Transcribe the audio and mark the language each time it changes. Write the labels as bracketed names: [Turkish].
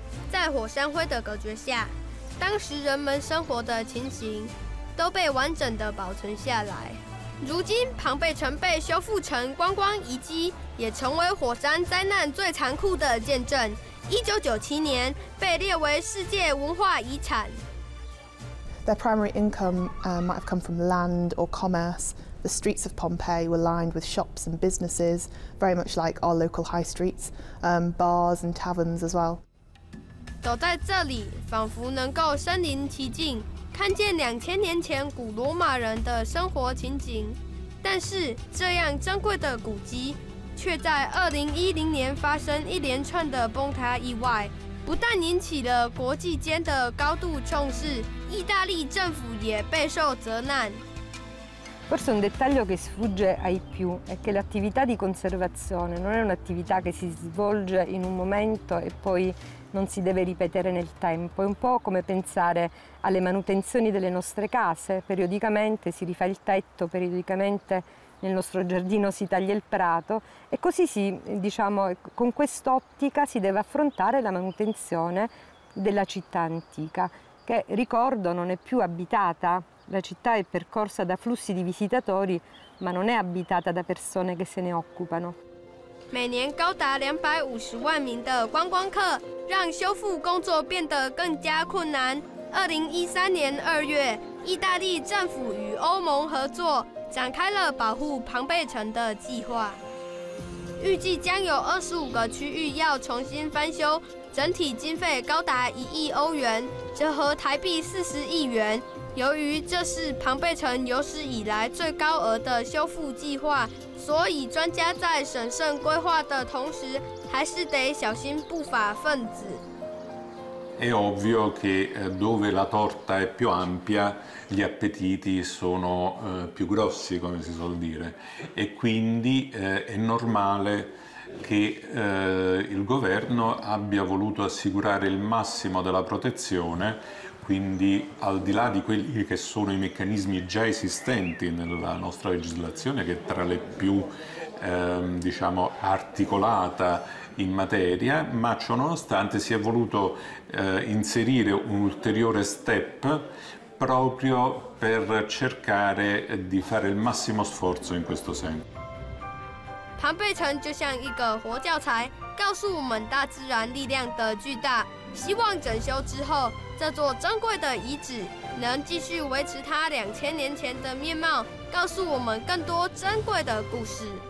[Chinese] 在火山灰的隔绝下，当时人们生活的情形都被完整的保存下来。如今庞贝城被修复成观光遗迹，也成为火山灾难最残酷的见证。 1997年被列为世界文化遗产。 [English] Their primary income might have come from land or commerce. The streets of Pompeii were lined with shops and businesses, very much like our local high streets, bars and taverns as well. [Chinese] 走在这里，仿佛能够身临其境。看见2000年前古罗马人的生活情景，但是这样珍贵的古迹，却在2010年发生一连串的崩塌意外，不但引起了国际间的高度重视，意大利政府也备受责难。 [Italian] Forse un dettaglio che sfugge ai più è che l'attività di conservazione non è un'attività che si svolge in un momento e poi non si deve ripetere nel tempo. È un po' come pensare alle manutenzioni delle nostre case. Periodicamente si rifà il tetto, periodicamente nel nostro giardino si taglia il prato e così si, diciamo, con quest'ottica si deve affrontare la manutenzione della città antica che, ricordo, non è più abitata. La città è percorsa da flussi di visitatori, ma non è abitata da persone che se ne occupano. [Chinese] 每年高达250万名的观光客，让修复工作变得更加困难。 2013年2月，意大利政府与欧盟合作，展开了保护庞贝城的计划。预计将有25个区域要重新翻修，整体经费高达1亿欧元，折合台币40亿元。由于这是庞贝城有史以来最高额的修复计划，所以专家在审慎规划的同时，还是得小心不法分子。 [Italian] È ovvio che dove la torta è più ampia, gli appetiti sono più grossi, come si suol dire, e quindi è normale che il governo abbia voluto assicurare il massimo della protezione. Quindi al di là di quelli che sono i meccanismi già esistenti nella nostra legislazione, che è tra le più diciamo, articolata in materia, ma ciò nonostante si è voluto inserire un ulteriore step proprio per cercare di fare il massimo sforzo in questo senso. [Chinese] 庞贝城就像一个活教材，告诉我们大自然力量的巨大。希望整修之后，这座珍贵的遗址能继续维持它2000年前的面貌，告诉我们更多珍贵的故事。